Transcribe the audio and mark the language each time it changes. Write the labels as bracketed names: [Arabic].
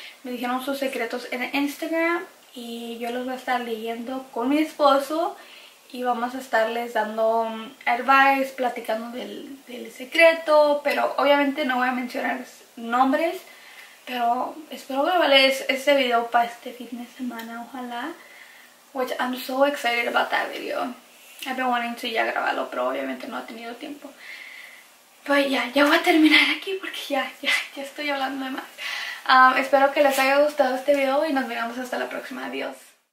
[Spanish] Me dijeron sus secretos en Instagram y yo los voy a estar leyendo con mi esposo y vamos a estarles dando advice, platicando del secreto, pero obviamente no voy a mencionar nombres. Pero espero grabarles este video para este fin de semana, ojalá. [English] Which I'm so excited about that video. I've been wanting to [Spanish] ya grabarlo, pero obviamente no ha tenido tiempo. Pues ya, ya voy a terminar aquí porque ya estoy hablando de más. Espero que les haya gustado este video y nos vemos hasta la próxima. Adiós.